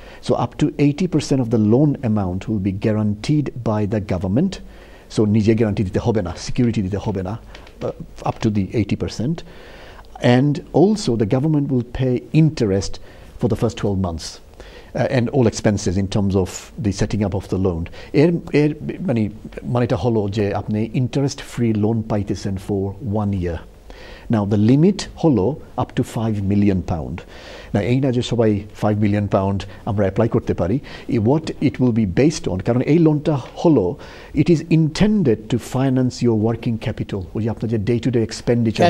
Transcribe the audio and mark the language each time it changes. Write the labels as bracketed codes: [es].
[en] So up to 80% of the loan amount will be guaranteed by the government. [bn] So নিজে guarantee দিতে হবে না, security দিতে হবে না, up to the 80%। [en] And also the government will pay interest for the first 12 months and all expenses in terms of the setting up of the loan. [bn] এর মানে মানেটা হলো যে আপনি ইন্টারেস্ট ফ্রি লোন পাইতেছেন [en] For 1 year. Now the limit [bn] হলো up to 5 million pound. না, এই না যে সবাই 5 মিলিয়ন পাউন্ড আমরা অ্যাপ্লাই করতে পারি। [en] What it will be based on, [bn] কারণ এই লোনটা হলো, [en] it is intended to finance your working capital, [bn] ওই যে আপনার যে [en] day to day expenditure